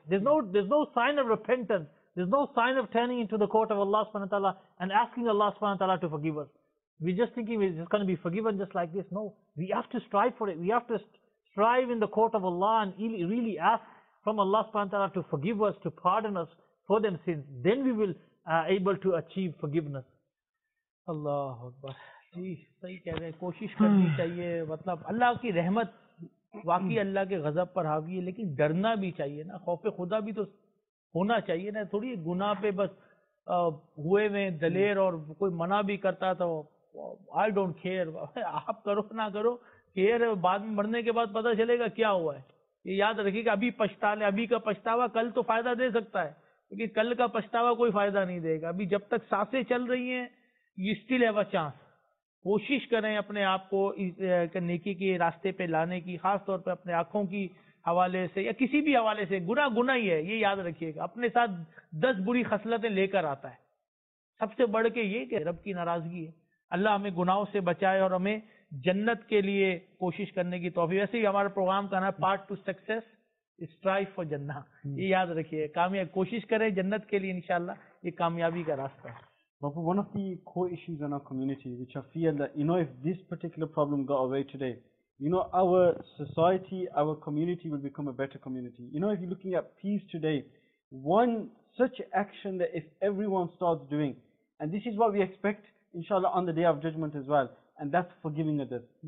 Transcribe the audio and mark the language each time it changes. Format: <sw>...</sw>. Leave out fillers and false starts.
<en>There's no sign of repentance. There's no sign of turning into the court of Allah subhanahu wa ta'ala and asking Allah subhanahu wa ta'ala to forgive us. We're just thinking we're just going to be forgiven just like this. No, we have to strive for it. We have to strive in the court of Allah and really ask from Allah subhanahu wa ta'ala to forgive us, to pardon us for them sins. Then we will able to achieve forgiveness. Allahu Akbar.</en> <ur>جی صحیح کہہ رہے ہیں, کوشش کرنی چاہیے, مطلب اللہ کی رحمت واقعی اللہ کے غضب پر حاوی ہے, لیکن ڈرنا بھی چاہیے نا, خوف خدا بھی تو ہونا چاہیے نا, تھوڑی گناہ پہ بس ہوئے میں دلیر اور کوئی منع بھی کرتا تھا</ur> <en>I don't care,</en> <ur>آپ کرو نہ کرو کیئر, بعد میں مرنے کے بعد پتہ چلے گا کیا ہوا ہے. یہ یاد رکھیے کہ ابھی پچھتا لے, ابھی کا پچھتاوا کل تو فائدہ دے سکتا ہے, لیکن کل کا پچھتاوا کوئی فائدہ نہیں دے گا. ابھی جب تک سانسیں چل رہی ہیں</ur> <en>You still have a chance.</en> <ur>کوشش کریں اپنے آپ کو نیکی کے راستے پہ لانے کی, خاص طور پہ اپنے آنکھوں کی حوالے سے یا کسی بھی حوالے سے. گناہ گناہ ہی ہے, یہ یاد رکھیے گا. اپنے ساتھ 10 بری خصلتیں لے کر آتا ہے, سب سے بڑھ کے یہ کہ رب کی ناراضگی ہے. اللہ ہمیں گناہوں سے بچائے اور ہمیں جنت کے لیے کوشش کرنے کی توفیق. ویسے ہی ہمارا پروگرام کا نام ہے part to success, strive for جنہ. یہ یاد رکھیے, کامیاب کوشش کریں جنت کے لیے, انشاءاللہ یہ کامیابی کا راستہ ہے.</ur> <en>But one of the core issues in our community, which I feel that, you know, if this particular problem got away today, you know, our society, our community will become a better community. You know, if you're looking at peace today, one such action that if everyone starts doing, and this is what we expect, inshallah, on the Day of Judgment as well, and that's forgiving others.</en>